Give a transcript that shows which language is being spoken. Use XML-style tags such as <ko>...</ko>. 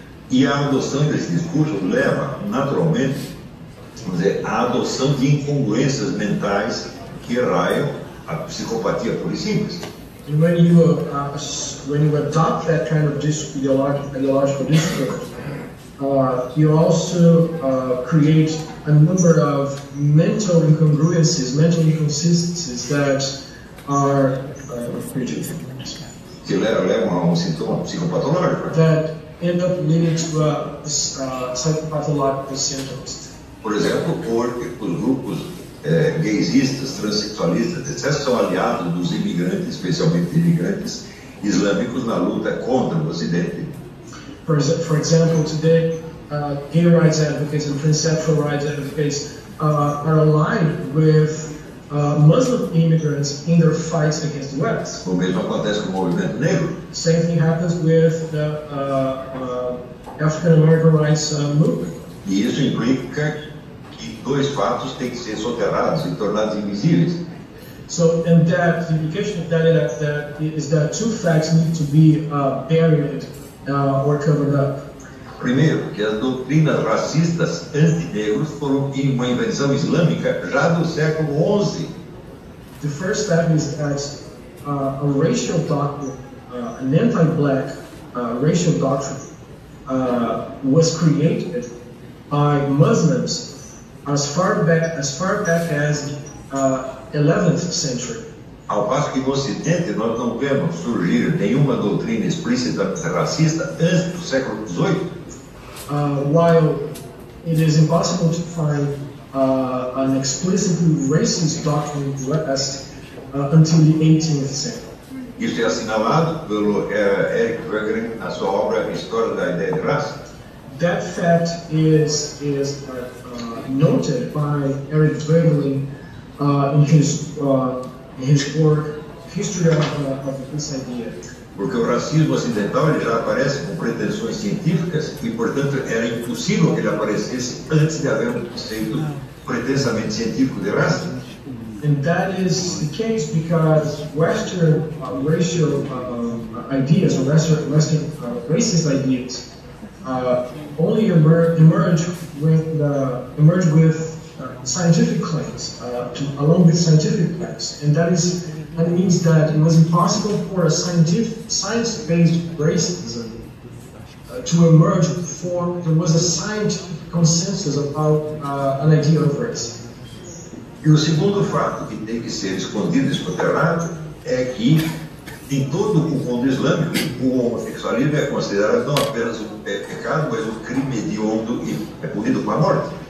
<pt>E a adoção desse discurso leva, naturalmente, vamos dizer, à adoção de incongruências mentais que raiam a psicopatia pura e simples.</pt> <en>And when you adopt that kind of ideological discourse, you also create a number of mental inconsistencies that are prejudicial.</en> <pt>que levam a um sintoma psicopatológico.</pt> <en>That end up leading to psychopathological symptoms.</en> <pt>Por exemplo, porque os grupos gaysistas, transexualistas, etc., são aliados dos imigrantes, especialmente imigrantes islâmicos, na luta contra o Ocidente.</pt> <en>For example, today, gay rights advocates and transsexual rights advocates are aligned with Muslim immigrants in their fights against the West.</en> <pt>O mesmo acontece com o movimento negro.</pt> <en>Same thing happens with the African American rights movement.</en> <pt>E isso implica que dois fatos têm que ser soterrados e tornados invisíveis.</pt> <en>So, and that, the implication of that is that two facts need to be buried or covered up.</en> <pt>Primeiro, que as doutrinas racistas anti-negros foram uma invenção islâmica já do século XI.</pt> <en>The first step is that a racial doctrine, an anti-black racial doctrine, was created by Muslims as far back as the 11th century.</en> <pt>Ao passo que no Ocidente nós não vemos surgir nenhuma doutrina explícita racista antes do século XVIII.</pt> <en>While it is impossible to find an explicitly racist doctrine in the West until the 18th century.</en> <pt>Isso é assinalado pelo Erich Wegener na sua obra História da Ideia de Raça.</pt> <en>That fact is noted by Erich Wegener in his work History of This Idea.</en> <pt>Porque o racismo ocidental já aparece com pretensões científicas e, portanto, era impossível que ele aparecesse antes de haver um conceito pretensamente científico de raça.</pt> <en>And that is the case because Western racial ideas, or Western racist ideas, only emerge with scientific claims, along with scientific claims, and that is. That means that it was impossible for a science-based racism to emerge before there was a scientific consensus about an idea of race.</en> <pt>E o segundo fato que tem que ser escondido e soterrado é que, em todo o mundo islâmico, o homossexualismo é considerado não apenas um pecado, mas um crime hediondo e é punido com a morte.</pt>